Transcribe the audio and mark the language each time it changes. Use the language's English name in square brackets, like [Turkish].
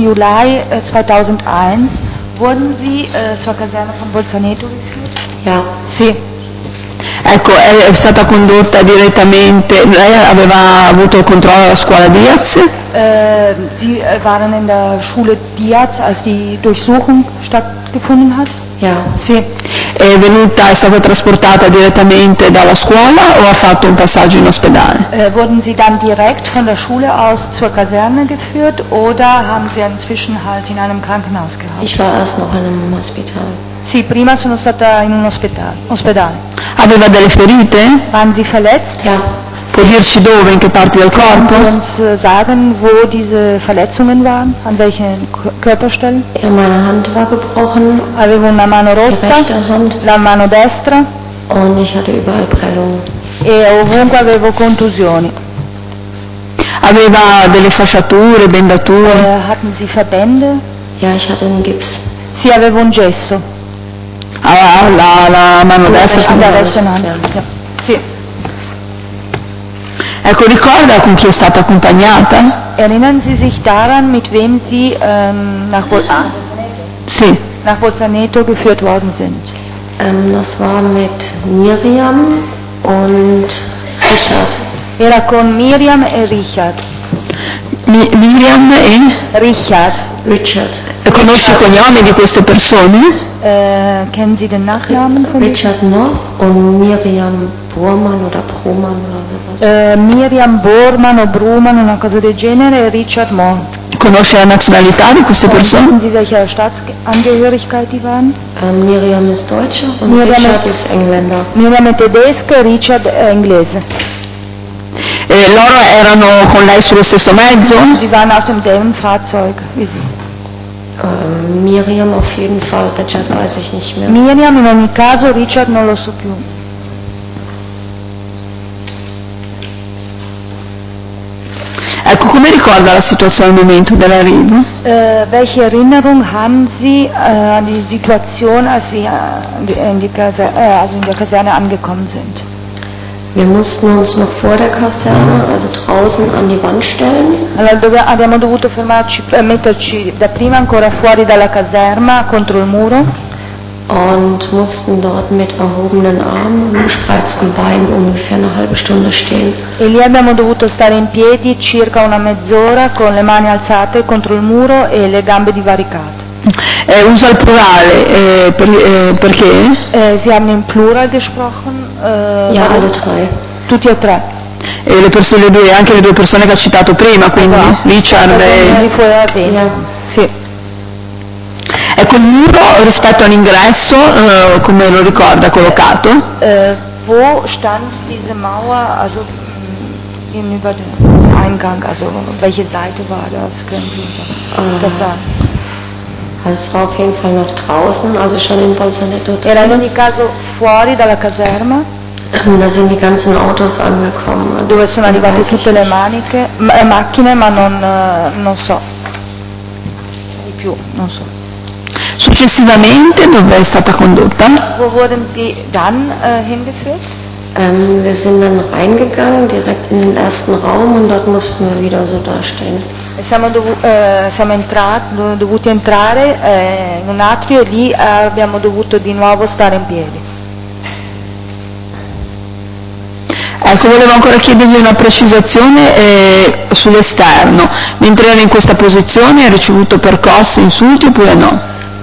[German] Juli 2001, wurden Sie zur Kaserne von Bolzaneto geführt? Ja. [Italian] Sì. Ecco, è stata condotta direttamente, lei aveva avuto il controllo alla scuola Diaz? [German] Sie waren in der Schule Diaz, als die Durchsuchung stattgefunden hat? [English] Yeah. [Italian] Sì. È venuta, è stata trasportata direttamente dalla scuola o ha fatto un passaggio in ospedale? [German] Wurden Sie dann direkt von der Schule aus zur Kaserne geführt oder haben Sie einen Zwischenhalt in einem Krankenhaus gehabt? Ich war erst noch in einem Hospital. [Italian] Sì, prima sono stata in un ospedale. Aveva delle ferite? [German] Waren Sie verletzt? Ja. [Italian] Può dirci dove, in che parti del corpo? [German] Können Sie uns sagen, wo diese Verletzungen waren, an welchen Körperstellen? In meiner Hand war gebrochen. [Italian] Avevo una mano rotta. La mano destra. [German] Und ich hatte überall Prellungen. [Italian] E ovunque avevo contusioni. Aveva delle fasciature, bendature. [German] Hatten Sie Verbände? Ja, ich hatte einen Gips. [Italian] Sì, avevo un gesso. Ah, la mano destra. La [German] rechte Hand. [Italian] Sì. Ecco, ricorda con chi è stata accompagnata? [German] Erinnern Sie sich daran, mit wem Sie nach [Italian] sì. [German] Nach Bolzaneto geführt worden sind? Das war mit Miriam und Richard. [Italian] Era con Miriam e Richard. Miriam e? Richard. Richard. Conosci i cognomi di queste persone? [German] Kennen Sie den Nachnamen von Richard noch und Miriam Bormann oder Brumann oder sowas? [Italian] Miriam Bormann oder Brumann, una cosa del genere, Richard Mohn. Conosce la nazionalità di queste persone? [German] Wissen Sie, welcher Staatsangehörigkeit die waren? Miriam ist Deutsche und Miriam Richard ist Engländer. [Italian] Miriam è tedesca, Richard è inglese. Loro erano con lei sullo stesso mezzo? [German] Sie waren auf demselben Fahrzeug wie Sie. Miriam auf jeden Fall, Richard weiß ich nicht mehr. [Italian] Miriam in ogni caso, Richard non lo so più. Ecco, come ricorda la situazione al momento dell'arrivo? [German] Welche Erinnerung haben Sie an die Situation, als Sie in der Kaserne angekommen sind? Wir mussten uns noch vor der Kaserne, also draußen an die Wand stellen. [Italian] Allora, abbiamo dovuto fermarci, metterci da prima ancora fuori dalla caserma contro il muro. [German] Und mussten dort mit erhobenen Armen und gespreizten Beinen ungefähr eine halbe Stunde stehen. [Italian] E lì abbiamo dovuto stare in piedi circa una mezz'ora con le mani alzate contro il muro e le gambe divaricate. Usa il plurale, perché? [German] Sie haben im Plural gesprochen. Ja, alle drei. [Italian] Tutti e tre. E le persone, anche le due persone che ha citato prima, quindi esatto. Richard e... Yeah. Sì. Ecco, il muro rispetto all'ingresso, come lo ricorda, collocato? [German] Wo stand diese Mauer, also gegenüber dem Eingang, also welche Seite war das, können Sie das sagen? Also es war auf jeden Fall noch draußen, also schon in Bolzaneto. [Italian] Era in ogni caso fuori dalla caserma. [German] Da sind die ganzen Autos angekommen. [Italian] Dove sono arrivate tutte le maniche, macchine, ma non so. Di più, non so. Successivamente dove è stata condotta? [German] Wo wurden Sie dann hingeführt? Wir sind dann reingegangen, direkt in den ersten Raum und dort mussten wir wieder so dastehen. [Italian] Siamo dovuti entrare in un atrio e lì abbiamo dovuto di nuovo stare in piedi. Ecco, volevo ancora chiedergli una precisazione sull'esterno. Mentre ero in questa posizione, ha ricevuto percosse, insulti oppure no?